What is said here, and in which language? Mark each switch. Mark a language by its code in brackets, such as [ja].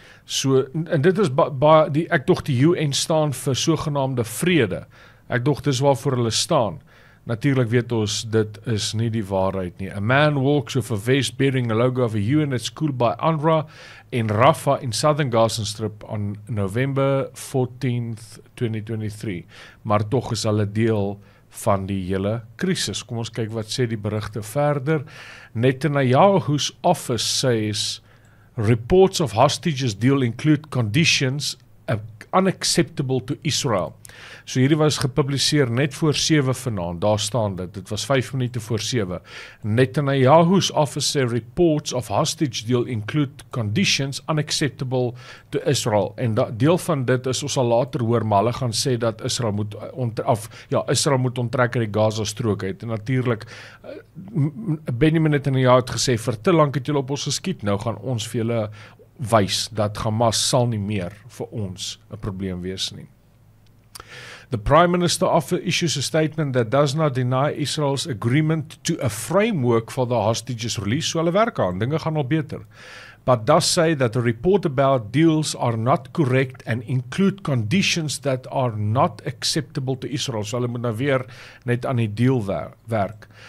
[af] So, en dit is ek dog die UN staan vir sogenaamde vrede, ek dog dis waarvoor hulle staan. Natuurlijk weet ons, dit is nie die waarheid nie. [en] A man walks with a vest bearing a logo of a UN at school by UNRWA in Rafa in Southern Gaza Strip on November 14th, 2023. [af] Maar toch is hulle deel van die hele krisis. Kom ons kyk wat sê die berigte verder. [en] Netanyahu's office says, reports of hostages deal include conditions unacceptable to Israel. [af] So hierdie was gepubliseer net voor 7 vanaand, daar staan dit, dit was 5 minute voor 7. [en] Netanyahu's office reports of hostage deal include conditions unacceptable to Israel. [af] En deel van dit is, ons sal later hoor, maar hulle gaan sê dat Israel moet onttrek uit die Gaza strook uit. En natuurlijk, Benjamin Netanyahu het gesê, vir te lang het julle op ons geskiet, nou gaan ons vir julle wys dat Hamas sal nie meer vir ons 'n probleem wees nie. [en] The Prime Minister often issues a statement that does not deny Israel's agreement to a framework for the hostages release. [af] So hulle werk aan, dinge gaan al beter. [en] But does say that the report about deals are not correct and include conditions that are not acceptable to Israel. [af] So hulle moet nou weer net aan die deal werk.